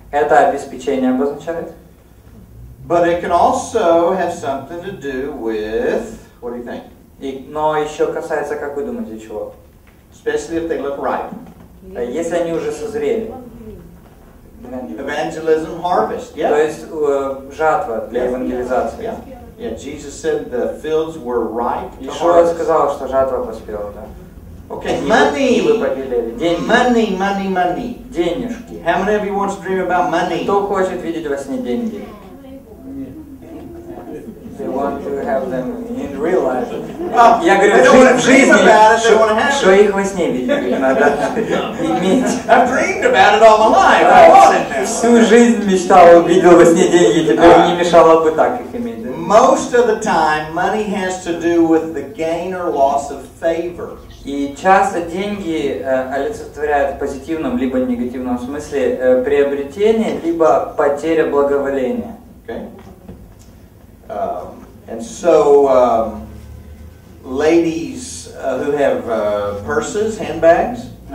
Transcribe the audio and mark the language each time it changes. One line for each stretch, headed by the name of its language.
Russian: Это обеспечение обозначает.
English: But it can also have something to do with. What do you think?
Russian: Но еще касается, как вы думаете, чего?
English: Especially if they look ripe.
Russian: Если они уже созрели.
English: Evangelism harvest. Yeah.
Russian: То есть жатва для евангелизации.
English: Yeah, Jesus said the fields were ripe.
Russian: Иисус сказал, что жатва поспела, да.
English: Okay, money.
Russian: Денежки.
English: How many of you want to dream about money?
Russian: Кто хочет видеть во сне деньги?
English: They want to have them in real life.
Russian: Я говорю,
English: they don't want to dream about it, they want to have it.
Russian: Что их во сне видеть надо иметь.
English: I've dreamed about it all my life. I want it.
Russian: Всю жизнь мечтал, увидел во сне деньги, теперь не мешало бы так их иметь.
English: Most of the time, money has to do with the gain or loss of favor.
Russian: И часто деньги олицетворяют в позитивном либо негативном смысле приобретение либо потеря благоволения.
English: Okay. And so, ladies who have purses, handbags.